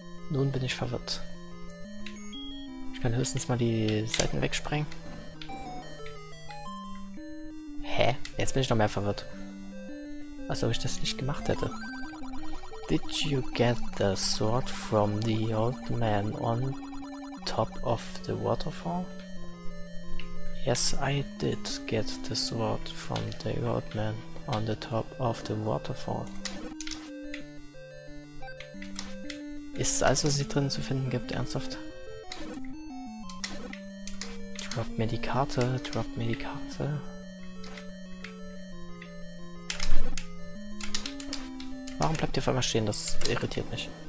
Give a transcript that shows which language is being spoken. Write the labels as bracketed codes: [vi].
[de] Nun bin ich verwirrt. Ich kann höchstens mal die Seiten wegsprengen. Hä? Jetzt bin ich noch mehr verwirrt. Als ob ich das nicht gemacht hätte. [en] Did you get the sword from the old man on top of the waterfall? Yes, I did get the sword from the old man on the top of the waterfall. [de] Ist alles, was sie drin zu finden gibt, ernsthaft? Drop mir die Karte, drop mir die Karte. Warum bleibt ihr auf einmal stehen? Das irritiert mich.